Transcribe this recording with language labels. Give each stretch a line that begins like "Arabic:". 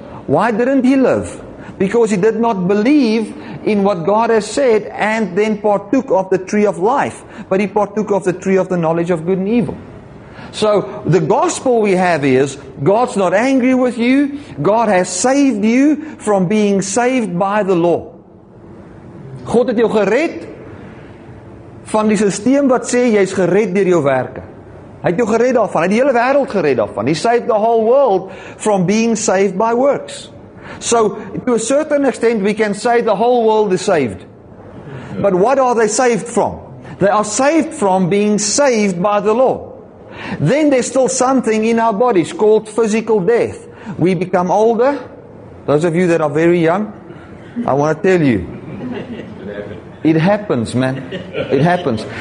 English: Why didn't he live? Because he did not believe in what God has said and then partook of the tree of life. But he partook of the tree of the knowledge of good and evil. So the gospel we have is God's not angry with you. God has saved you from being saved by the law.
Afrikaans: God het jou gered van die systeem wat sê jy is gered deur jou werke. Hy het jou gered daarvan. Hy het die hele wêreld gered daarvan.
English: He saved the whole world from being saved by works. So to a certain extent we can say the whole world is saved. But what are they saved from? They are saved from being saved by the law. Then there's still something in our bodies called physical death. We become older. Those of you that are very young, I want to tell you. It happens, man. It happens.